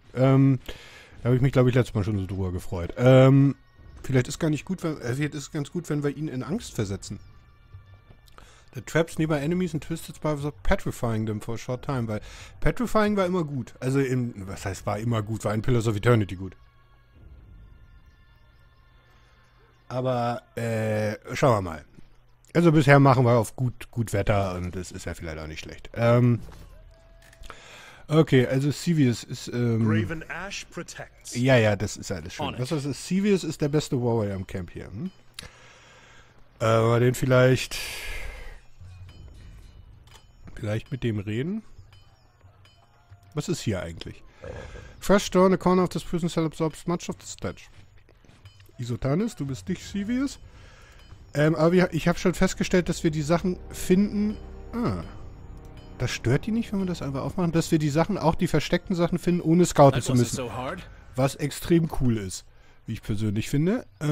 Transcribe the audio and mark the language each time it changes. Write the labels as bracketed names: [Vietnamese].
[German] Da habe ich mich, glaube ich, letztes Mal schon so drüber gefreut. Vielleicht ist gar nicht gut, wenn, vielleicht ist es ganz gut, wenn wir ihn in Angst versetzen. [English] The traps nearby enemies and twisted spires are petrifying them for a short time. [German] Weil petrifying war immer gut. Also, in, was heißt war immer gut? War in Pillars of Eternity gut. Aber, schauen wir mal. Also bisher machen wir auf gut Wetter und das ist ja vielleicht auch nicht schlecht. Okay, also Sevius ist, [English] Raven Ash protects. [German] Ja, ja, das ist alles schön. Was heißt das? Sevius ist der beste Warrior im Camp hier. Den vielleicht... Vielleicht mit dem reden? Was ist hier eigentlich? [English] Fresh stone, the corner of this prison cell absorbs much of the stench. [German] Isotanis, du bist nicht Sevius? Aber ich habe schon festgestellt, dass wir die Sachen finden... Ah. Das stört die nicht, wenn wir das einfach aufmachen? Dass wir die Sachen, auch die versteckten Sachen finden, ohne scouten zu müssen. Was extrem cool ist, wie ich persönlich finde.